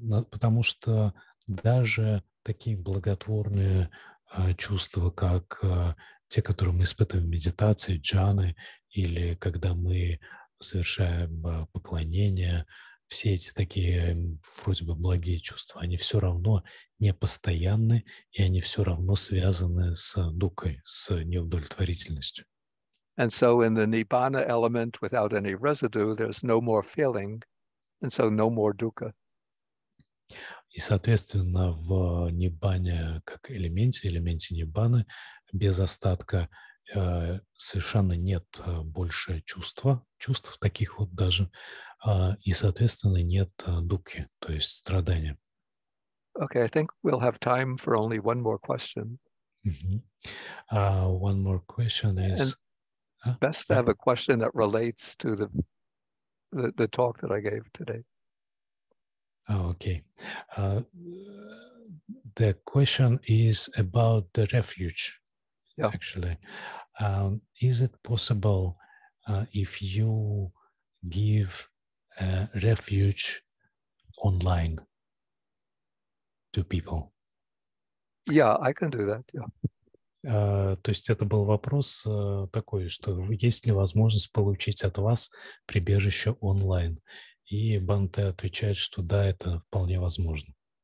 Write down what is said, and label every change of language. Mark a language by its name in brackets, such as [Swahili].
[Russian] Потому что даже такие благотворные чувства, как те, которые мы испытываем в медитации, джаны, или когда мы совершаем поклонение, все эти такие вроде бы благие чувства, они все равно непостоянны, и они все равно связаны с дуккой, с неудовлетворительностью. [English] And so in the Nibbana element without any residue, there's no more feeling, and so no more dukkha. И, соответственно, в Ниббане, как элементе Ниббаны, без остатка совершенно нет больше чувств таких вот даже, и, соответственно, нет дукхи, то есть страдания. Okay, I think we'll have time for only one more question. One more question is... Best to have a question that relates to the talk that I gave today. Oh, okay. The question is about the refuge, yeah. Actually. Is it possible if you give a refuge online to people? Yeah, I can do that, yeah. [Russian] То есть это был вопрос такой, что есть ли возможность получить от вас прибежище онлайн? И Банте отвечает, что да, это вполне возможно.